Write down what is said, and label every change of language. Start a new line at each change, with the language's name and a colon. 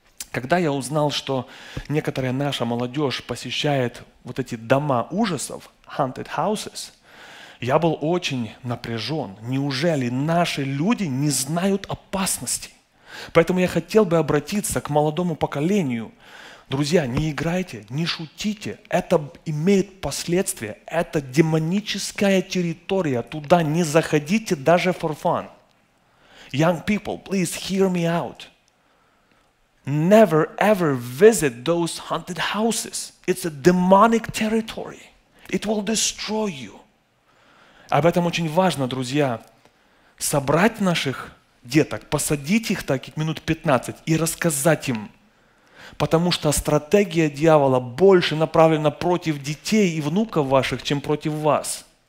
Russian: Когда я узнал, что некоторая наша молодежь посещает вот эти дома ужасов, haunted houses, я был очень напряжен. Неужели наши люди не знают опасности? Поэтому я хотел бы обратиться к молодому поколению. Друзья, не играйте, не шутите. Это имеет последствия. Это демоническая территория. Туда не заходите даже
English: for fun. Young people, please hear me out. never ever visit those haunted houses. It's a demonic territory. It will destroy you.
Russian: Об этом очень важно, друзья, собрать наших деток, посадить их так минут 15 и рассказать им, потому что стратегия дьявола больше направлена против детей и внуков ваших, чем против вас.